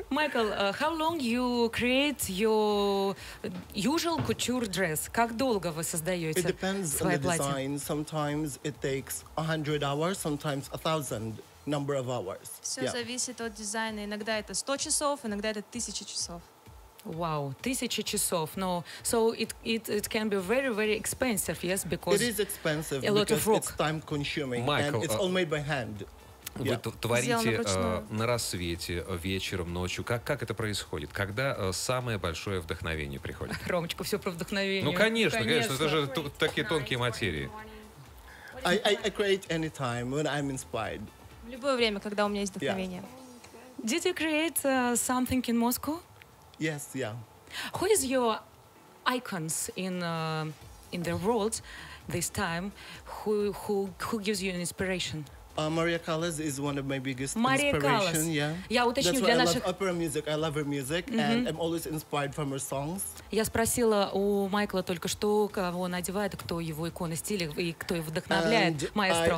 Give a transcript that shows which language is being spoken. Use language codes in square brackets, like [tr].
[en] Майкл, how long you create your usual couture dress? [ru] Как долго вы создаете свое платье? [en] It depends on the design. Sometimes it takes 100 hours, sometimes 1000. Number of hours. [ru] Все зависит от дизайна. Иногда это 100 часов, иногда это 1000 часов. Вау, 1000 часов. Но [en] so it can be very very expensive, yes, because it is expensive because it's time consuming. [ru] Майкл, [en] and it's all made by hand. [ru] Вы творите на рассвете, вечером, ночью. Как это происходит? Когда самое большое вдохновение приходит? Ромочка, все про вдохновение. Ну конечно. Это же такие тонкие материи. [en] I create anytime when I'm inspired. [ru] В любое время, когда у меня есть вдохновение. [en] Yeah. Did you create something in Moscow? Yes, yeah. Who is your icons in the world this time? Who gives you an inspiration? Maria Callas is one of my biggest inspiration. Yeah. [ru] Я уточню [en] That's [ru] для [en] why [ru] наших... [en] I love opera music. I love her music, and I'm always inspired from her songs. [ru] Я спросила у Майкла только что, кого он одевает, кто его иконы стиля и кто его вдохновляет, маэстро.